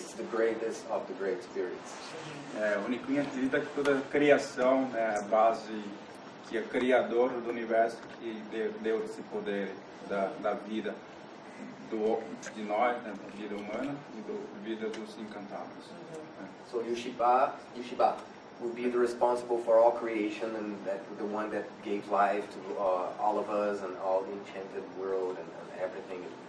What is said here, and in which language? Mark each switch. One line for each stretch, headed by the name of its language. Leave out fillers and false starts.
English: It's the greatest of the great spirits.
Portuguese: É, o Huni Kuin acredita que toda a criação é a base, que é criador do universo, que deu esse poder da vida de nós, né, da vida humana e da vida dos encantados.
English: So Yushiba would be the responsible for all creation, and that the one that gave life to all of us and all the enchanted world and everything.